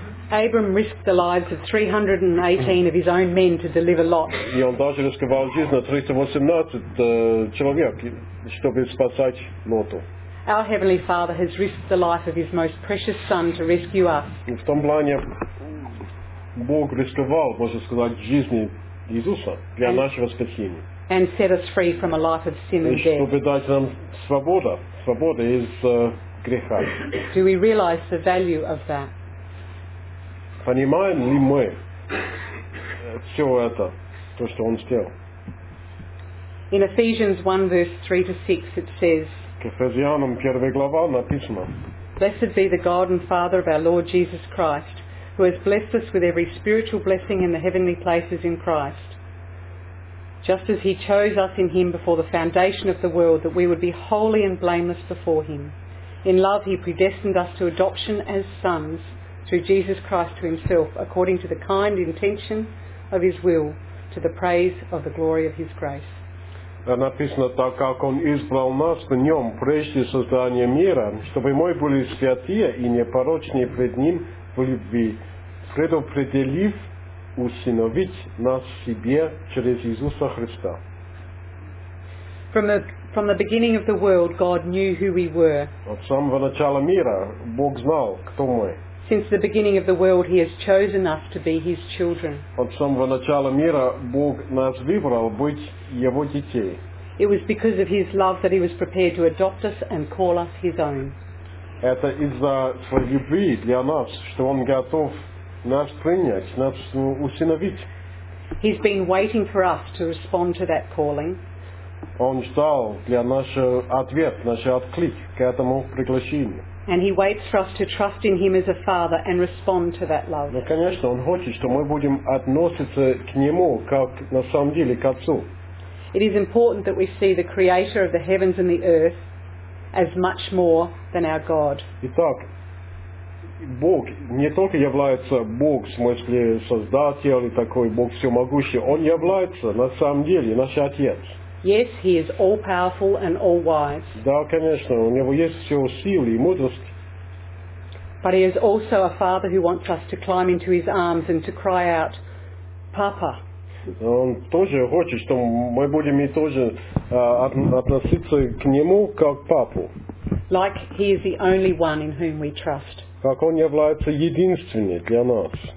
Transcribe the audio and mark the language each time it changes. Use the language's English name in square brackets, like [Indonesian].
[English] Abram risked the lives of 318 of his own men to deliver Lot. [Russian] И он даже рисковал жизнь 318 человек, чтобы спасать Лоту. [English] Our Heavenly Father has risked the life of His most precious Son to rescue us. [Russian] В том плане, Бог рисковал, можно сказать, жизни Иисуса для нашего спасения. [English] And set us free from a life of sin and death. [Russian] Чтобы дать нам свободу из греха. [English] Do we realize the value of that? [Russian] Понимаем ли мы все это, то, что Он сделал? [English] In Ephesians 1, verse 3 to 6, it says, [Russian] к Ефезянам 1 глава написано: [English] Blessed be the God and Father of our Lord Jesus Christ, who has blessed us with every spiritual blessing in the heavenly places in Christ. Just as He chose us in Him before the foundation of the world, that we would be holy and blameless before Him. In love He predestined us to adoption as sons through Jesus Christ to Himself, according to the kind intention of His will, to the praise of the glory of His grace. [Russian] Написано, так как Он избрал нас в Нем прежде создания мира, чтобы мы были святые и непорочные пред Ним в любви, предопределив усыновить нас себе через Иисуса Христа. [English] From the beginning of the world, God knew who we were. [Russian] От самого начала мира Бог знал, кто мы. [English] Since the beginning of the world, He has chosen us to be His children. [Russian] От самого начала мира Бог нас выбрал быть Его детей. [English] It was because of His love that He was prepared to adopt us and call us His own. [Russian] Это из-за своей любви для нас, что Он готов нас принять, нас усыновить. [English] He's been waiting for us to respond to that calling. [Russian] Он ждал для нашего ответа, нашего отклика к этому приглашению. [English] And He waits for us to trust in Him as a Father and respond to that love. [Russian] Ну, конечно, Он хочет, что мы будем относиться к Нему, как на самом деле к Отцу. [English] It is important that we see the Creator of the heavens and the earth as much more than our God. [Russian] Итак, Бог не только является Бог, в смысле Создатель и такой Бог всемогущий, Он является на самом деле наш Отец. [English] Yes, He is all powerful and all wise. [Russian] Да, конечно, у него есть все силы и мудрость. [English] But He is also a Father who wants us to climb into His arms and to cry out, Papa. [Russian] Он тоже хочет, что мы будем и тоже относиться к Нему как папу. [English] Like He is the only one in whom we trust. [Russian] Как Он является единственным для нас.